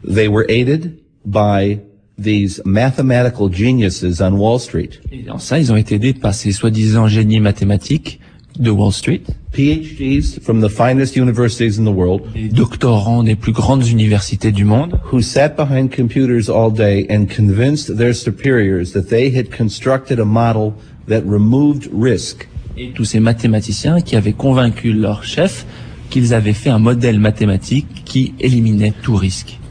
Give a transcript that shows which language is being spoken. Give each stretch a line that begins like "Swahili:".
English: They were aided by these mathematical geniuses on Wall Street.
French: Et en ça, ils ont été aidés par ces soi-disant génies mathématiques de Wall Street.
English: PhDs from the finest universities in the world.
French: Des doctorants des plus grandes universités du monde.
English: Who sat behind computers all day and convinced their superiors that they had constructed a model that removed risk.
French: Et tous ces mathématiciens qui avaient convaincu leur chef qu'ils avaient fait un modèle mathématique qui éliminait tout risque.